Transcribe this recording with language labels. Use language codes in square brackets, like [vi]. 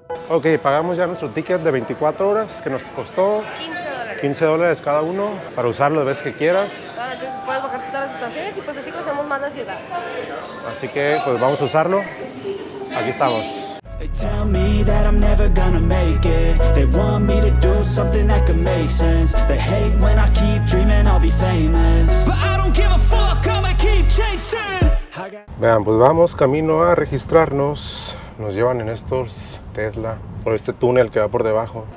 [es] Ok, pagamos ya nuestro ticket de 24 horas, que nos costó $15. $15 cada uno, para usarlo las veces que quieras. Entonces puedes bajar todas las estaciones y pues así conocemos más la ciudad. Así que, pues vamos a usarlo. Aquí estamos. [en] They tell me that I'm never gonna make it. They want me to do something that could make sense. They hate when I keep dreaming I'll be famous. But I don't give a fuck, I'ma keep chasing. [es] Vean, pues vamos camino a registrarnos. Nos llevan en estos Tesla por este túnel que va por debajo.